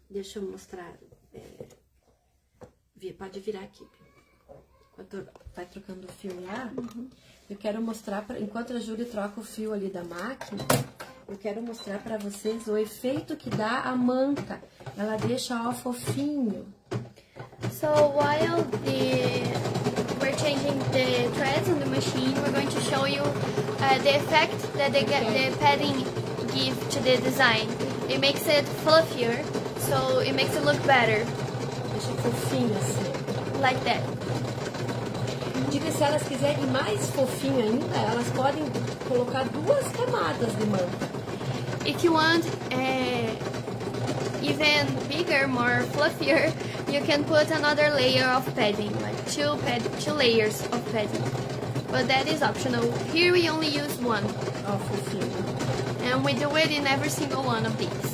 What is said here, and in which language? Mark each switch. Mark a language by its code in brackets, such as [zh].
[pt] Deixa eu mostrar. Pode virar aqui. Enquanto vai trocando o fio lá, uhum. Eu quero mostrar, enquanto a Júlia troca o fio ali da máquina, eu quero mostrar para vocês o efeito que dá a manta. Ela deixa ó fofinho. [en] So while we're changing the threads on the machine, we're going to show you the effect that the padding give to the design. It makes it fluffier, so it makes it look better. [pt] Deixa fofinho assim. [en] Like that. [pt] Diga, se elas quiserem mais fofinho ainda, elas podem colocar duas camadas de manta. [en] If you want even bigger, more fluffier, you can put another layer of padding, like two layers of padding. But that is optional. Here we only use one. [pt] Oh, fofinho. [en] And we do it in every single one of these.